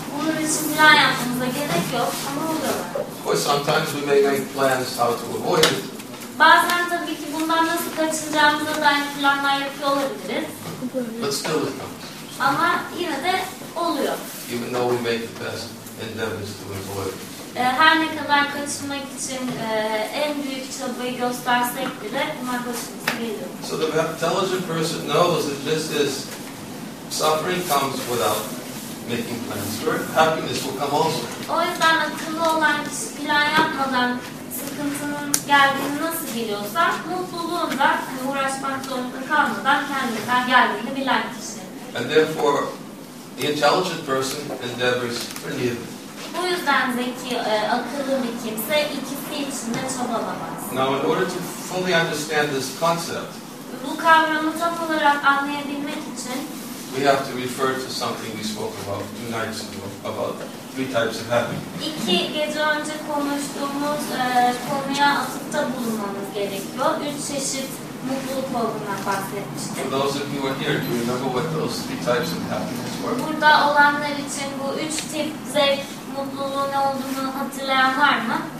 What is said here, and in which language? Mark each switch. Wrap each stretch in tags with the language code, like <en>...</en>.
<tr>Bunun için plan yapmamıza gerek yok ama oluyor.</tr> <en>Of course, sometimes we may make plans how to avoid it.</en> <tr>Bazen tabii ki bundan nasıl kaçınacağımıza dair planlar yapıyor olabiliriz.</tr> <en>But still it comes.</en> <tr>Ama yine de oluyor.</tr> <en>Even though we make the best endeavors to avoid it.</en> <tr>Her ne kadar kaçınmak için en büyük çabayı göstersek bile bunlar başımıza.</tr> <en>So the intelligent person knows that this is suffering comes without making plans for it. Happiness will come also.</en> <tr>O yüzden akıllı olan kişi plan yapmadan sıkıntının geldiğini nasıl biliyorsa mutluluğun da uğraşmak zorunda kalmadan kendinden geldiğini bilen kişi.</tr> <en>And therefore the intelligent person endeavors for neither.</en> <tr>Bu yüzden zeki, akıllı bir kimse ikisi için de çabalamaz.</tr> <en>Now in order to fully understand this concept,</en> <tr>bu kavramı tam olarak anlayabilmek için</tr> <en>we have to refer to something we spoke about two nights ago, about three types of happiness.</en> <tr>İki gece önce konuştuğumuz konuya atıfta bulunmamız gerekiyor. Üç çeşit mutluluk olduğundan bahsetmiştik.</tr> <en>For those of you who are here, do you remember what those three types of happiness were?</en> <tr>Burada olanlar için bu üç tip zevk mutluluğun ne olduğunu hatırlayan var mı?</tr>